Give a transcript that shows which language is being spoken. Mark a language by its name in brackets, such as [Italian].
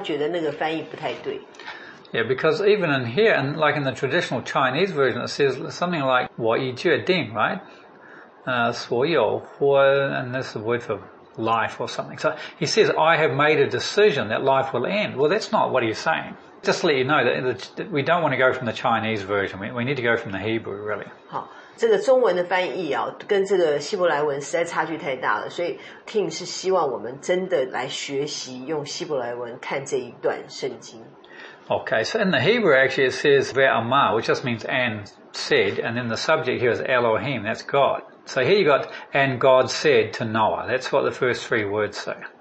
[Chinese] 在这个中文的翻译上，你们大家都看到荧幕，听友用红色的线把一些字划掉，因为他觉得那个翻译不太对。 [English] Yeah, because even in here, and like in the traditional Chinese version, it says something like [Chinese] 我已决定, [English] right? [Chinese] 所有或, [English] and that's the word for life or something. So he says, I have made a decision that life will end. Well, that's not what he's saying. Just to let you know that we don't want to go from the Chinese version. We need to go from the Hebrew, really. [Chinese] 好，这个中文的翻译啊，跟这个希伯来文实在差距太大了，所以Tim是希望我们真的来学习用希伯来文看这一段圣经。 [English] Okay, so in the Hebrew actually it says Ve'amah, which just means and said, and then the subject here is Elohim, that's God. So here you got, and God said to Noah. That's what the first three words say.